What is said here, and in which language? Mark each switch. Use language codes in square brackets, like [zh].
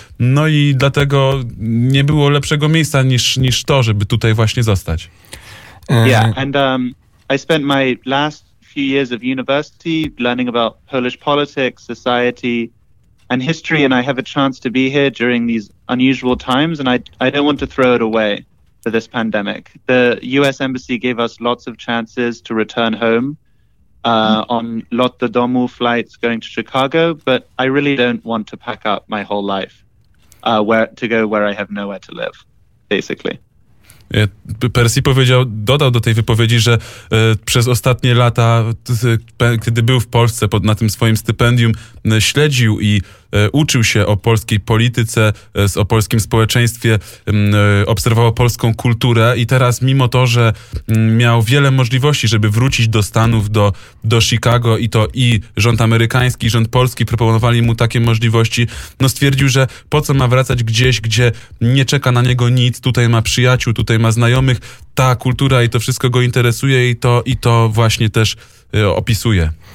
[pl] No i dlatego nie było lepszego miejsca niż to, żeby tutaj właśnie zostać. [en] Yeah, and I spent my last few years of university learning about Polish politics, society, and history, and I have a chance to be here during these unusual times, and I don't want to throw it away for this pandemic. The U.S. Embassy gave us lots of chances to return home on Lot do Domu flights going to Chicago, but I really don't want to pack up my whole life to go where I have nowhere to live, basically. [pl] Percy powiedział, dodał do tej wypowiedzi, że przez ostatnie lata, kiedy był w Polsce na tym swoim stypendium, śledził i uczył się o polskiej polityce, o polskim społeczeństwie, obserwował polską kulturę i teraz mimo to, że miał wiele możliwości, żeby wrócić do Stanów, do Chicago i to i rząd amerykański, i rząd polski proponowali mu takie możliwości, no stwierdził, że po co ma wracać gdzieś, gdzie nie czeka na niego nic, tutaj ma przyjaciół, tutaj ma znajomych, ta kultura i to wszystko go interesuje i to właśnie też opisuje.